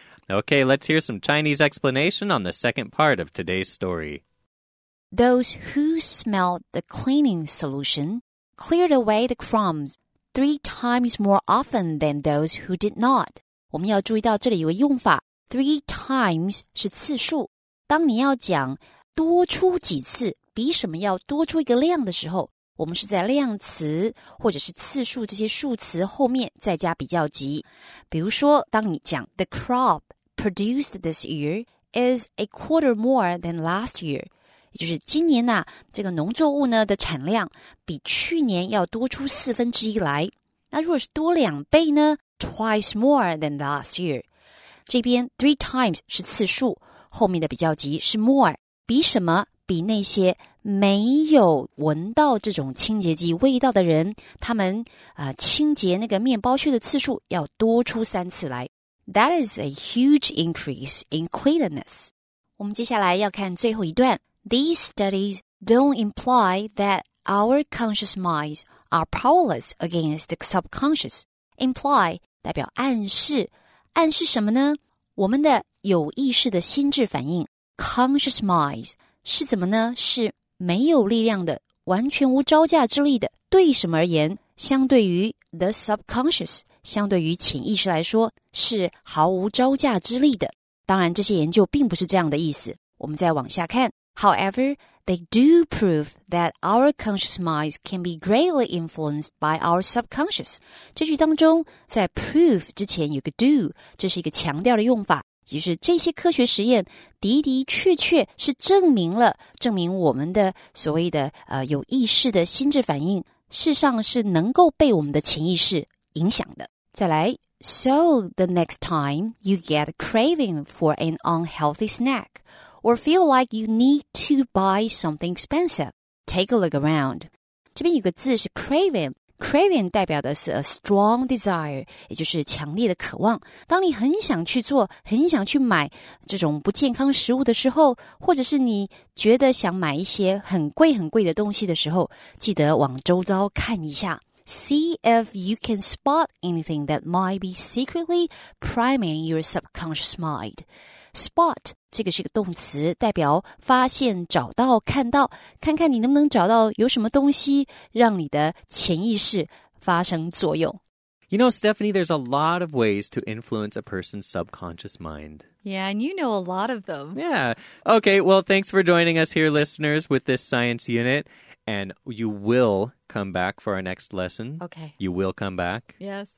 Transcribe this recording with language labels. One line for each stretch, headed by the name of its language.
English: Okay, let's hear some Chinese explanation on the second part of today's story. Those who smelled the cleaning solution cleared away the crumbs 3 times more often than those who did not.
Chinese: 我们要注意到这里有个用法 ,3 times 是次数。当你要讲多出几次，比什么要多出一个量的时候，我们是在量词或者是次数这些数词后面再加比较级。比如说，当你讲
English: The crop produced this year is a quarter more than last year，
Chinese: 也就是今年呢，这个农作物呢的产量比去年要多出四分之一来。那如果是多两倍呢 ？
English: Twice more than last year。
Chinese: 这边
English: three times
Chinese: 是次数。后面的比较级是 more， 比什么？比那些没有闻到这种清洁剂味道的人，他们清洁那个面包屑的次数要多出3次来。
English: That is a huge increase in cleanliness.
Chinese: 我们接下来要看最后一段。
English: These studies don't imply that our conscious minds are powerless against the subconscious.
Chinese: Imply 代表暗示，暗示什么呢？我们的有意识的心智反应 conscious mind 是怎么呢？是没有力量的，完全无招架之力的，对什么而言，相对于 the subconscious 相对于潜意识来说是毫无招架之力的。当然这些研究并不是这样的意思。我们再往下看。
English: However, they do prove that our conscious minds can be greatly influenced by our subconscious.
Chinese: 这句当中在 prove 之前有个 do, 这是一个强调的用法。就是这些科学实验的的确确是证明我们的所谓的有意识的心智反应事实上是能够被我们的潜意识影响的。再来
English: So the next time you get a craving for an unhealthy snack or feel like you need to buy something expensive, take a look around.
Chinese: 这边有个字是 craving,Craving 代表的是
English: a strong desire,
Chinese: 也就是强烈的渴望。当你很想去做、很想去买这种不健康食物的时候，或者是你觉得想买一些很贵很贵的东西的时候，记得往周遭看一下。
English: See if you can spot anything that might be secretly priming your subconscious mind.
Chinese: Spot, 这个是个动词，代表发现、找到、看到，看看你能不能找到有什么东西让你的潜意识发生作用。
English: You know, Stephanie, there's a lot of ways to influence a person's subconscious mind. Yeah, and you know a lot of them. Yeah. Okay, well, thanks for joining us here, listeners, with this science unit. And you will come back for our next lesson. Okay. You will come back. Yes.